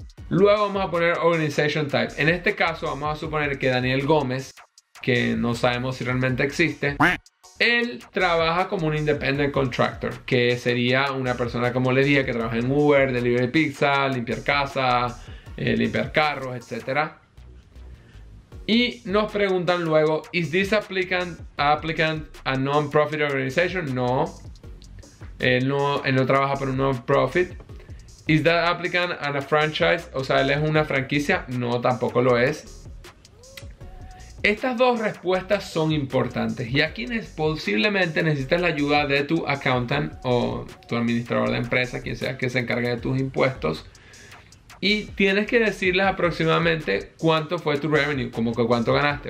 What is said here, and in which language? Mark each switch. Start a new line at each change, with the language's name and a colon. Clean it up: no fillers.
Spanish: Luego vamos a poner Organization Type. En este caso vamos a suponer que Daniel Gómez, que no sabemos si realmente existe, él trabaja como un Independent Contractor, que sería una persona, como le dije, que trabaja en Uber, delivery pizza, limpiar casa, limpiar carros, etcétera. Y nos preguntan luego,
English: ¿is this applicant a non-profit organization?
Spanish: No. Él no trabaja por un non-profit.
English: Is that applicant and a franchise?
Spanish: O sea, ¿él es una franquicia? No, tampoco lo es. Estas dos respuestas son importantes y aquí posiblemente necesitas la ayuda de tu accountant o tu administrador de empresa, quien sea que se encargue de tus impuestos. Y tienes que decirles aproximadamente cuánto fue tu revenue, como que cuánto ganaste.